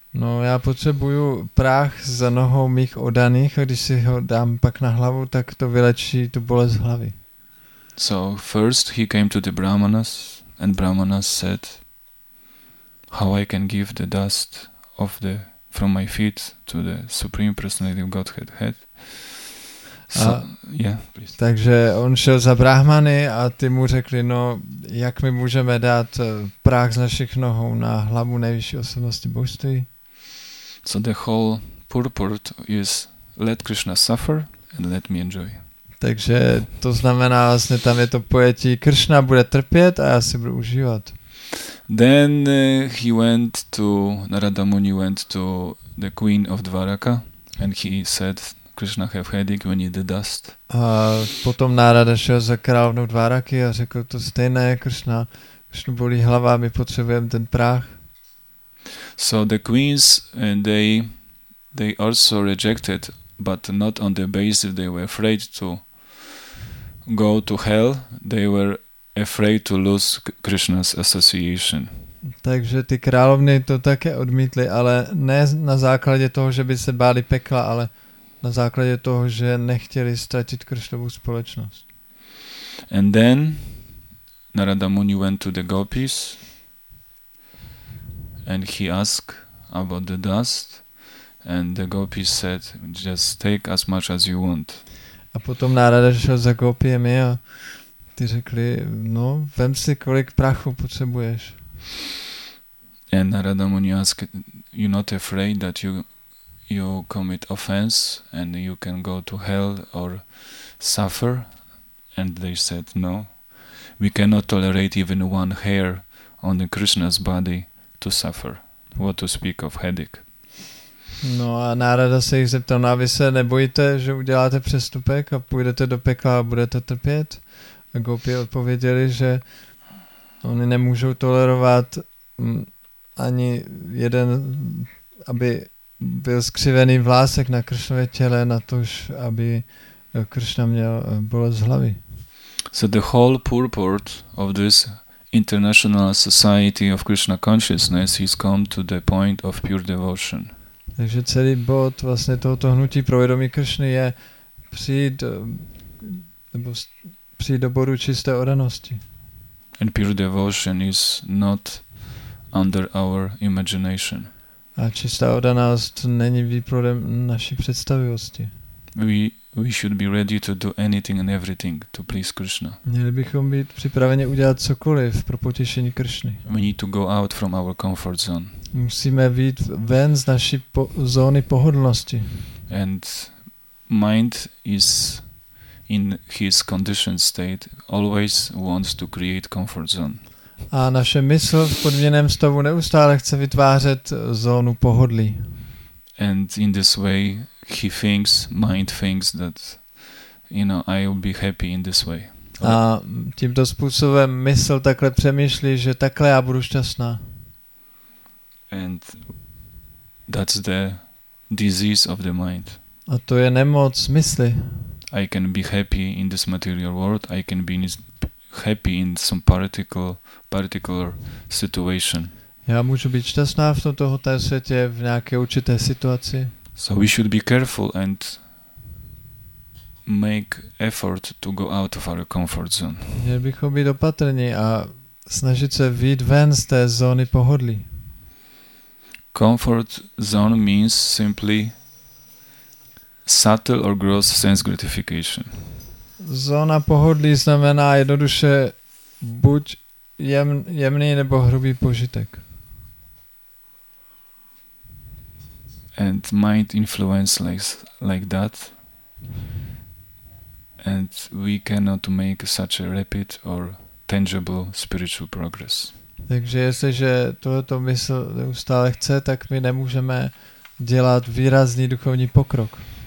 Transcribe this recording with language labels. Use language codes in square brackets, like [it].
[cs] No, já potřebuju prach za nohou mých oddaných, a když si ho dám pak na hlavu, tak to vylečí tu bolest hlavy. [en] So, first he came to the brahmanas, and brahmanas said how I can give the dust of the from my feet to the supreme personality of Godhead head. So, please. [cs] Takže on šel za brahmany a ty mu řekli, no jak my můžeme dát prach z našich nohou na hlavu nejvyšší osobnosti božství. [en] So the whole purport is let Krishna suffer and let me enjoy. [cs] Takže to znamená vlastně tam je to pojetí Krishna bude trpět a já si budu užívat. [en] Then he went to Narada Muni went to the queen of Dvaraka and he said Krishna have headache, we need the dust. [cs] A potom Narada šel za královnou Dvaraky a řekl to stejné, Krishna, Krishna bolí hlava, my potřebujeme ten prach. [en] So the queens and they also rejected, but not on the basis they were afraid to go to hell, they were afraid to lose Krishna's association. [cs] Takže ty královny to také odmítly, ale ne na základě toho, že by se báli pekla, ale na základě toho, že nechtěli ztratit Krishnovu společnost. [en] And then Narada Muni went to the gopis and he asked about the dust. And the gopi said, just take as much as you want. [cs] A potom Narada šel za gopiemi a ty řekli, no, vem si, kolik prachu potřebuješ. [en] And Narada Muni asked, you're not afraid that you commit offense and you can go to hell or suffer? And they said, no, we cannot tolerate even one hair on the Krishna's body to suffer. What to speak of headache? [cs] No a Narada se jich zeptal, no a vy se nebojíte, že uděláte přestupek a půjdete do pekla a budete trpět? A gopi odpověděli, že oni nemůžou tolerovat ani jeden aby byl skřivený vlásek na Kršnově těle, na to, aby Kršna měl bolest hlavy. [en] So the whole purport of this International Society of Krishna Consciousness has come to the point of pure devotion. [cs] Takže celý bod vlastně tohoto hnutí pro vědomí Kršny je přijít do bodu čisté oddanosti. [en] And pure devotion is not under our imagination. [cs] A čistá oddanost není výplodem naší představivosti. [en] We should be ready to do anything and everything to please Krishna. [cs] Měli bychom být připraveni udělat cokoliv pro potěšení Kršny. [en] We need to go out from our comfort zone. [cs] Musíme být ven z naší zóny pohodlnosti. [en] And mind is in his conditioned state always wants to create comfort zone. [cs] A naše mysl v podmíněném stavu neustále chce vytvářet zónu pohodlí. [en] And in this way he thinks, mind thinks that, you know, I will be happy in this way. [cs] A tímto způsobem mysl takhle přemýšlí, že takhle já budu šťastná. [en] And that's the disease of the mind. [cs] A to je nemoc mysli. [en] I can be happy in this material world. I can be happy in some particular situation. [cs] Já můžu být šťastná v tomto světě v nějaké určité situaci. [en] So we should be careful and make effort to go out of our comfort zone. [cs] Měli bychom být opatrní a snažit se vyjít ven z té zóny pohodlí. [en] Comfort zone means simply subtle or gross sense gratification. [cs] Zóna pohodlí znamená jednoduše buď jemný nebo hrubý požitek. [en] And mind influence like that, and we cannot make such a rapid or tangible spiritual progress. [cs] Takže jestliže tohoto mysl neustále chce, tak my nemůžeme dělat výrazný duchovní pokrok.